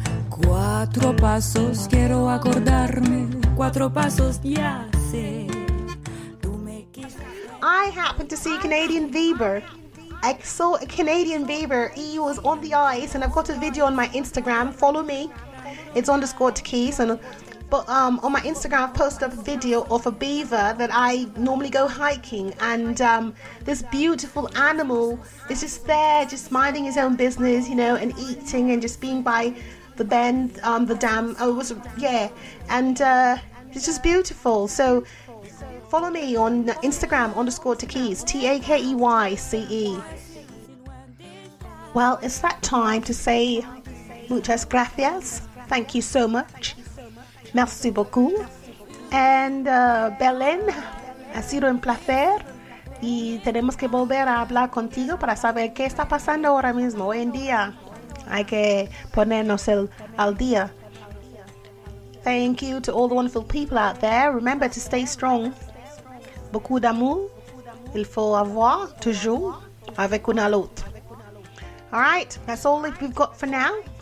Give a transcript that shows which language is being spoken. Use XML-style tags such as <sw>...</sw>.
<es>Cuatro pasos quiero acordarme, cuatro pasos ya sé. Tú me quisiste.</es> <en>I happened to see Canadian Bieber. I saw Canadian Bieber, he was on the ice, and I've got a video on my Instagram, follow me. It's underscore Takis. But on my Instagram, I've posted up a video of a beaver that I normally go hiking. And this beautiful animal is just there, just minding his own business, you know, and eating and just being by the bend, the dam. Oh, it was, yeah. And it's just beautiful. So follow me on Instagram, underscore Takeys, T-A-K-E-Y-C-E. Well, it's that time to say</en> <es>muchas gracias.</es> <en>Thank you so much.</en> <fr>Merci beaucoup.</fr> <en>And Belén,</en> <es>ha sido un placer. Y tenemos que volver a hablar contigo para saber qué está pasando ahora mismo, hoy en día. Hay que ponernos al día.</es> <en>Thank you to all the wonderful people out there. Remember to stay strong.</en> <fr>Beaucoup d'amour. Il faut avoir toujours avec un autre.</fr> <en>All right, that's all that we've got for now.</en>